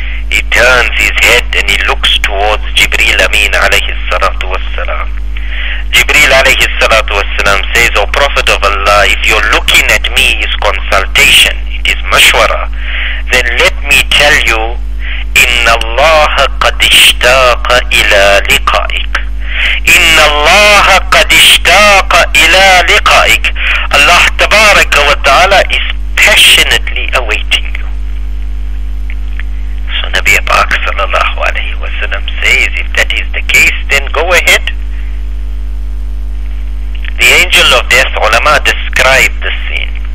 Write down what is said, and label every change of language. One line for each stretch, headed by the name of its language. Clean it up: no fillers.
English: He turns his head and he looks towards Jibreel Amin alayhi salatu wa sallam. Jibreel alayhi salatu wasalam says, O Prophet of Allah, if you're looking at me is consultation, it is mashwara, then let me tell you,
Arabic: Inna Allah اشتاق إلى لقائك. إن الله قد اشتاق إلى لقائك.
English: الله تبارك وتعالى is passionately awaiting you. So Nabi Pak sallallahu alayhi wa sallam says, if that is the case, then go ahead. The angel of death, ulama, described the scene.